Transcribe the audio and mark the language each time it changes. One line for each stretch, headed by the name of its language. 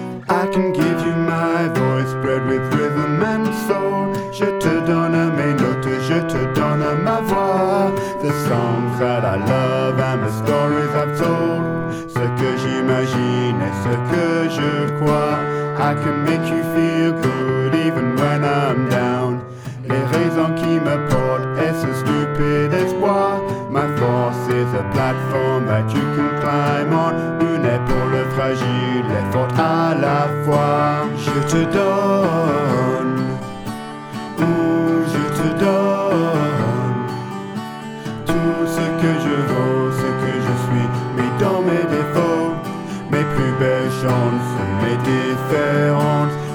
English: I can give you my voice bred with rhythm and soul.
French: Je te donne mes notes, je te donne ma voix.
English: The songs that I love and the stories I've told.
French: Ce que j'imagine et ce que je crois.
English: I can make you feel good even when I'm down.
French: Les raisons qui me portent et ce stupide espoir.
English: My force is a platform that you can climb on.
French: Une épaule fragile et forte à la fois. Je te donne, ooh, je te donne tout ce que je vaux, ce que je suis. Mes dents, mes défauts, mes plus belles chances, mes différences.